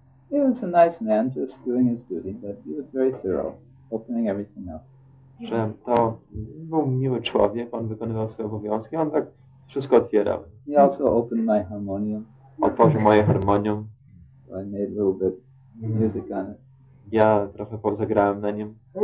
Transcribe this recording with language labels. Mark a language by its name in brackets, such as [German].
[English] He was a nice man, just doing his duty, but he was very thorough, opening everything up. [Polish] Że to był miły człowiek, on wykonywał swoje obowiązki, on tak wszystko otwierał. [English] He also opened my harmonium. [Polish] Otworzył moje harmonium. [English] So I made a little bit music on it. [Polish] Ja trochę pozagrałem na nim.